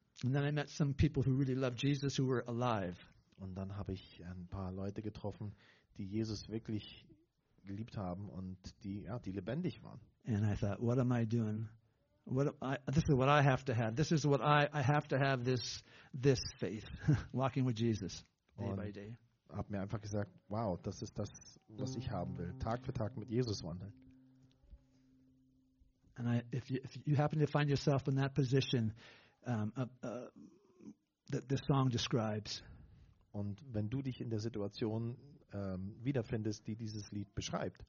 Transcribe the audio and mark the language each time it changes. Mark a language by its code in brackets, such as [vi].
[en] And then I met some people who really loved Jesus, who were alive. [de] Und dann habe ich ein paar Leute getroffen, die Jesus wirklich geliebt haben und die lebendig waren. [en] And I thought, what am I doing? This is what I have to have. This is what I have to have. This faith, walking with Jesus day by day. [de] Hab mir einfach gesagt, wow, das ist das, was ich haben will. Tag für Tag mit Jesus wandeln. [en] And if you happen to find yourself in that position. That this song describes. [de] Und wenn du dich in der Situation wiederfindest, die dieses Lied beschreibt,